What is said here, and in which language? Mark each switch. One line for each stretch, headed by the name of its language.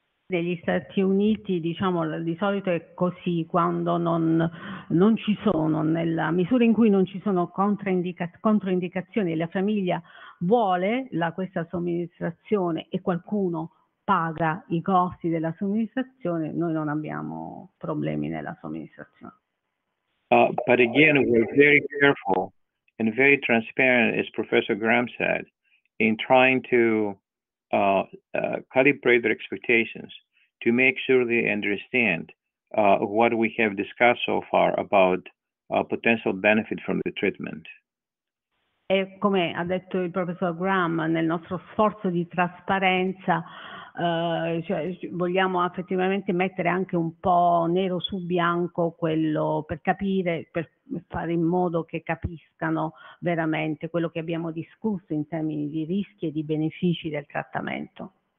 Italian: Negli Stati Uniti, diciamo, di solito è così, quando non ci sono, nella misura in cui non ci sono controindicazioni, la famiglia vuole questa somministrazione e qualcuno paga i costi della somministrazione, noi non abbiamo problemi nella somministrazione.
English: But again, we're very careful and very transparent, as Professor Graham said, in trying to calibrate their expectations to make sure they understand what we have discussed so far about potential benefit from the treatment.
Italian: E come ha detto il professor Graham, nel nostro sforzo di trasparenza cioè, vogliamo effettivamente mettere anche un po' nero su bianco quello per capire, per fare in modo che capiscano veramente quello che abbiamo discusso in termini di rischi e di benefici del trattamento.